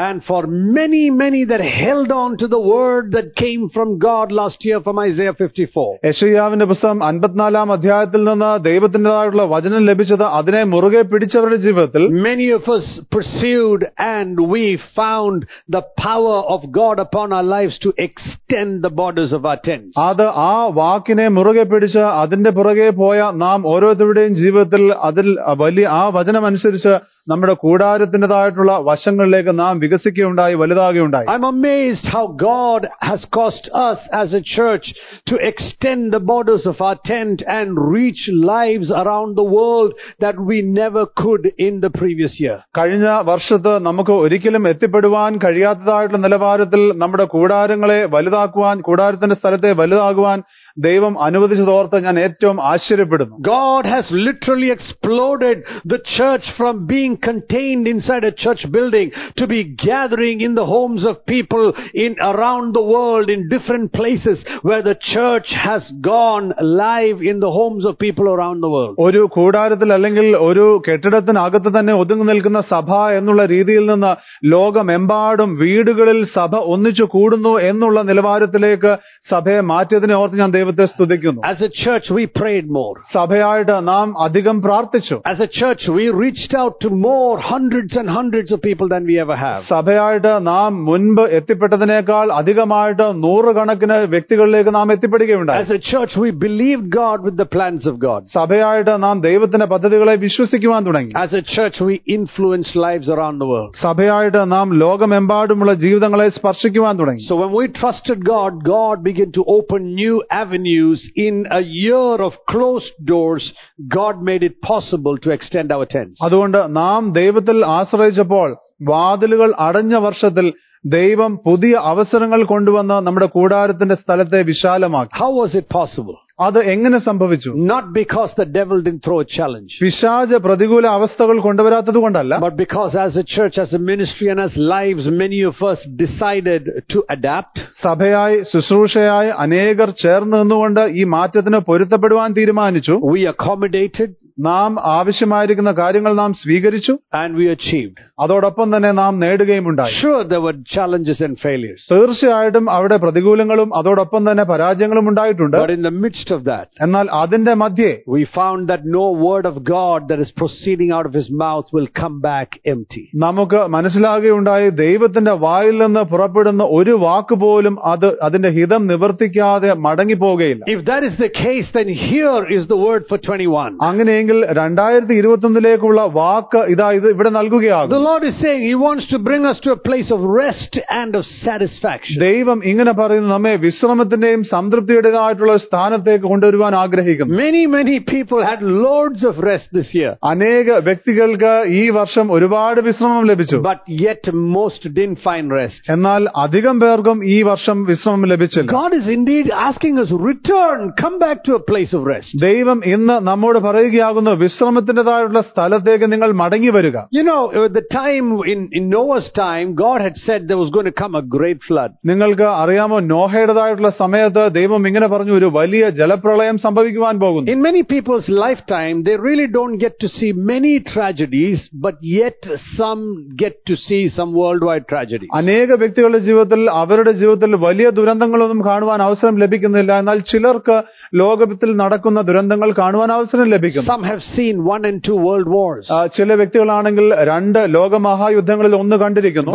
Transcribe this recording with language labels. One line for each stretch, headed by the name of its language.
English: And for many, many that held on to the word that came from God last year from Isaiah 54.
Malayalam: യെശയ്യാവിന്റെ പുസ്തകം 54-ാം അധ്യായത്തിൽ നിന്ന് ദൈവത്തിന്റേതായിട്ടുള്ള വചനം ലഭിച്ചത് അതിനെ മുറുകെ പിടിച്ചവരുടെ ജീവിതത്തിൽ.
English: Many of us pursued and we found the power of God upon our lives to extend the borders of our tents.
Malayalam: അത് ആ വാക്കിനെ മുറുകെ പിടിച്ച് അതിന്റെ പുറകെ പോയ നാം ഓരോരുത്തരുടെയും ജീവിതത്തിൽ അതിൽ വലിയ ആ വചനം അനുസരിച്ച് നമ്മുടെ കൂടാരത്തിന്റേതായിട്ടുള്ള വശങ്ങളിലേക്ക് നാം വികസിക്കുകയുണ്ടായി, വലുതാകുകയുണ്ടായി.
English: I'm amazed how God has caused us as a church to extend the borders of our tent and reach lives around the world that we never could in the previous year.
Malayalam: കഴിഞ്ഞ വർഷത്തെ നമുക്ക് ഒരിക്കലും എത്തിപ്പെടുവാൻ കഴിയാത്തതായിട്ടുള്ള നിലവാരത്തിൽ നമ്മുടെ കൂടാരങ്ങളെ വലുതാക്കുവാൻ, കൂടാരത്തിന്റെ സ്ഥലത്തെ വലുതാകുവാൻ ദൈവം അനുവദിച്ചതോർത്ത് ഞാൻ ഏറ്റവും ആശ്ചര്യപ്പെടുന്നു.
English: God has literally exploded the church from being contained inside a church building to be gathering in the homes of people in around the world in different places where the church has gone live in the homes of people around the world.
Malayalam: ഒരു കൂടാരത്തിൽ അല്ലെങ്കിൽ ഒരു കെട്ടിടത്തിനകത്ത് തന്നെ ഒതുങ്ങി നിൽക്കുന്ന സഭ എന്നുള്ള രീതിയിൽ നിന്ന് ലോകമെമ്പാടും വീടുകളിൽ സഭ ഒന്നിച്ചു കൂടുന്നു എന്നുള്ള നിലവാരത്തിലേക്ക് സഭയെ മാറ്റിയതിനെ ഓർത്ത് ഞാൻ ദൈവത്തെ സ്തുതിക്കുന്നു.
English: As a church we prayed more.
Malayalam: സഭയായിട്ട് നാം അധികം പ്രാർത്ഥിച്ചു.
English: As a church we reached out to more hundreds and hundreds of people than we ever have.
Malayalam: സഭയായിട്ട് നാം മുൻപ് എത്തിപ്പെട്ടതിനേക്കാൾ അധികമായിട്ട് നൂറുകണക്കിന് വ്യക്തികളിലേക്ക് നാം എത്തിപ്പെടുകയുണ്ടായി.
English: As a church we believed God with the plans of God.
Malayalam: സഭയായിട്ട് നാം ദൈവത്തിന്റെ പദ്ധതികളെ വിശ്വസിക്കുവാൻ തുടങ്ങി.
English: As a church we influenced lives around the world.
Malayalam: സഭയായിട്ട് നാം ലോകമെമ്പാടുമുള്ള ജീവിതങ്ങളെ സ്പർശിക്കുവാൻ തുടങ്ങി.
English: So when we trusted God, God began to open new avenues in a year of closed doors. God made it possible to extend our tents.
Malayalam: അതുകൊണ്ട് നാം ദൈവത്തിൽ ആശ്രയിച്ചപ്പോൾ വാതിലുകൾ അടഞ്ഞ വർഷത്തിൽ ദൈവം പുതിയ അവസരങ്ങൾ കൊണ്ടുവന്ന് നമ്മുടെ കൂടാരത്തിന്റെ സ്ഥലത്തെ വിശാലമാക്കി.
English: How was it possible?
Malayalam: അത് എങ്ങനെ സംഭവിച്ചു?
English: Not because the devil didn't throw a challenge.
Malayalam: പിശാച് പ്രതികൂല അവസ്ഥകൾ കൊണ്ടുവരാത്തത് കൊണ്ടല്ല.
English: But because as a church, as a ministry and as lives, many of us decided to adapt.
Malayalam: സഭയായി ശുശ്രൂഷയായി അനേകർ ചേർന്ന് നിന്നുകൊണ്ട് ഈ മാറ്റത്തിന് പൊരുത്തപ്പെടുവാൻ തീരുമാനിച്ചു.
English: We accommodated.
Malayalam: നാം ആവശ്യമായിരിക്കുന്ന കാര്യങ്ങൾ നാം സ്വീകരിച്ചു.
English: And we achieved.
Malayalam: അതോടൊപ്പം തന്നെ നാം നേടുകയും ഉണ്ടായി.
English: Sure, there were challenges and failures.
Malayalam: തീർച്ചയായിട്ടും അവിടെ പ്രതികൂലങ്ങളും അതോടൊപ്പം തന്നെ പരാജയങ്ങളും ഉണ്ടായിട്ടുണ്ട്.
English: But in the midst of that,
Malayalam: എന്നാൽ അതിന്റെ മധ്യേ,
English: we found that no word of God that is proceeding out of his mouth will come back empty.
Malayalam: നമുക്ക് മനസ്സിലാകുകയുണ്ടായി, ദൈവത്തിന്റെ വായിൽ നിന്ന് പുറപ്പെടുന്ന ഒരു വാക്ക് പോലും അത് അതിന്റെ ഹിതം നിവർത്തിക്കാതെ മടങ്ങിപ്പോകുകയില്ല.
English: If that is the case, then here is the word for 21.
Malayalam: അങ്ങനെയെങ്കിൽ 2021ലേക്കുള്ള വാക്ക് ഇതാ ഇത് ഇവിടെ നൽകുകയാണ്.
English: The Lord is saying he wants to bring us to a place of rest and of satisfaction.
Malayalam: ദൈവം ഇങ്ങനെ പറയുന്നു, നമ്മെ വിശ്രമത്തിന്റെയും സംതൃപ്തിയുടേതായിട്ടുള്ള ഒരു സ്ഥാനത്തേക്ക് കൊണ്ടുവരുവാൻ ആഗ്രഹിക്കുന്നു.
English: Many people had loads of rest this year.
Malayalam: അനേക വ്യക്തികൾക്ക് ഈ വർഷം ഒരുപാട് വിശ്രമം ലഭിച്ചു.
English: But yet most didn't find rest.
Malayalam: എന്നാൽ അധികം പേർക്കും ഈ വർഷം വിശ്രമം ലഭിച്ചില്ല.
English: God is indeed asking us return, come back to a place of rest.
Malayalam: ദൈവം ഇന്ന് നമ്മോട് പറയുകയാകുന്നു, വിശ്രമത്തിന്റേതായിട്ടുള്ള സ്ഥലത്തേക്ക് നിങ്ങൾ മടങ്ങി വരിക.
English: You know, the time in Noah's time, God had said there was going to come a great flood.
Malayalam: നിങ്ങൾക്ക് അറിയാമോ, നോഹയുടേതായിട്ടുള്ള സമയത്ത് ദൈവം ഇങ്ങനെ പറഞ്ഞു, ഒരു വലിയ ജലപ്രളയം സംഭവിക്കുവാൻ പോകുന്നു.
English: In many people's lifetime, they really don't get to see many tragedies, but yet some get to see some worldwide tragedies.
Malayalam: അനേക വ്യക്തികളുടെ ജീവിതത്തിൽ അവരുടെ ജീവിതത്തിൽ വലിയ ദുരന്തങ്ങളൊന്നും കാണുവാൻ അവസരം ലഭിക്കുന്നില്ല. എന്നാൽ ചിലർക്ക് ലോകത്തിൽ നടക്കുന്ന ദുരന്തങ്ങൾ കാണുവാൻ അവസരം ലഭിക്കുന്നു.
English: Some have seen 1 and 2 world wars.
Malayalam: ചില വ്യക്തികളാണെങ്കിൽ രണ്ട് ലോക മഹായുദ്ധങ്ങളിൽ ഒന്ന് കണ്ടിരിക്കുന്നു.